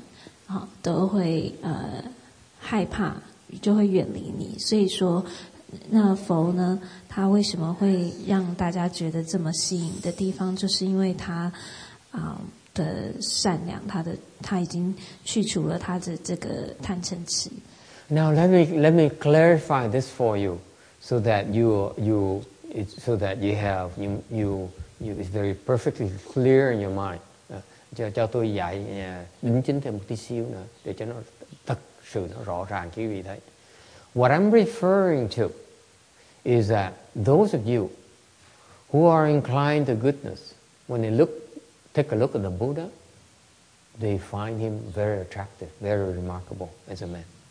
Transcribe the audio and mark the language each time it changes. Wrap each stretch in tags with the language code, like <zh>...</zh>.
<zh>所以法师说佛呢，他因为没有任何一点的恶，所以就是说，在一个假设在一个极善的世界里面，你有任何一点的恶或者是凶，对于别人来说，他们都会感觉得到你的这个不友善，都会害怕。就会远离你，所以说，那佛呢，他为什么会让大家觉得这么吸引的地方，就是因为他的善良，他已经去除了他的这个贪嗔痴。</zh> <en>Now let me clarify this for you, so that you is very perfectly clear in your mind.</en> <vi>叫tôi giải đính chính thêm một tí xíu nữa để cho nó thật sự nó rõ ràng quý vị thấy.</vi> <en>What I'm referring to is that those of you who are inclined to goodness, when they take a look at the Buddha, they find him very attractive, very remarkable as a man.</en>